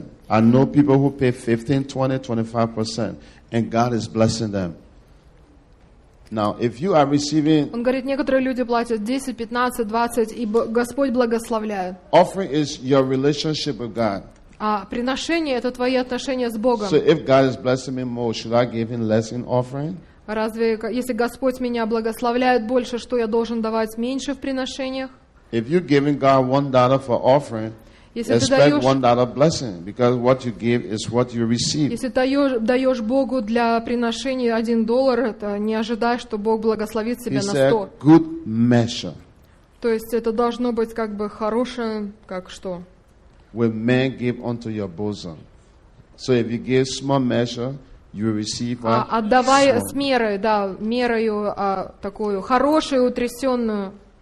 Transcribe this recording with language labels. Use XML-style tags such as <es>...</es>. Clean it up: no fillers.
<en>I know people who pay 15, 20, 25% and God is blessing them. Now, if you are receiving,</en> <ru>он говорит, некоторые люди платят 10, 15, 20 и Господь благословляет.</ru> <en>Offering is your relationship with God.</en> <ru>А приношение — это твои отношения с Богом.</ru> <en>So if God is blessing me more, should I give him less in offering?</en> <ru>Разве, если Господь меня благословляет больше, что я должен давать меньше в приношениях?</ru> <en>If you're giving God $1 for offering,</en> <ru>если</ru> <en>expect $1 blessing, because what you give is what you receive.</en> <ru>Если даешь Богу для приношения $1, то не ожидай, что Бог благословит тебя на 100.</ru> <en>It's a good measure.</en> <ru>То есть это должно быть как бы хорошее, как что?</ru> <en>When men give unto your bosom. So if you give small measure, you receive a</en> <ru>отдавай с мерой, да, мерою такую хорошую, утрясенную.</ru>